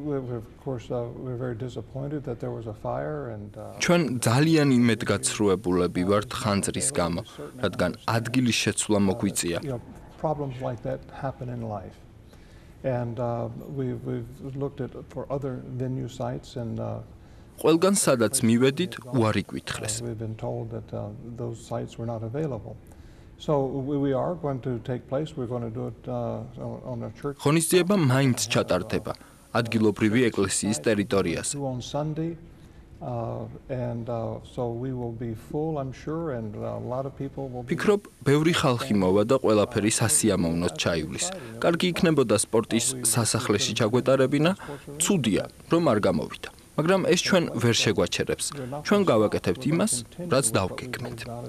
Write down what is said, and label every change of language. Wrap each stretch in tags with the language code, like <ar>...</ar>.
<en>Oh, of course we're very disappointed that there was a fire and</en> <ka>ჩვენ ძალიან იმედგაცრუებულები ვართ ხანძრის გამო, რადგან ადგილის შეცვლა მოგვიწია.</ka> <en>Problems like that happen in life. And we've looked at for other venue sites and</en> <ka>ყველგან სადაც მივედით, უარი გვითხრეს.</ka> <en>We've been told that those sites were not available. So we are going to take place, we're going to do it on a church.</en> <ka>ღონისძიება მაინც ჩატარდება ადგილობრივი ეკლესიის ტერიტორიაზე.</ka> <en>On Sunday So we will be full, I'm sure, and a lot of people will be.</en> <ka>ფიქრობ, ბევრი ხალხი მოვა და ყველაფერი სასიამოვნოდ ჩაივლის. კარგი იქნებოდა სპორტის სასახლეში ჩაგვეტარებინა, ცუდია, რომ არ გამოვიდა. მაგრამ ეს ჩვენ ვერ შეგვაჩერებს. ჩვენ გავაკეთებთ იმას, რაც დავგეგმეთ.</ka>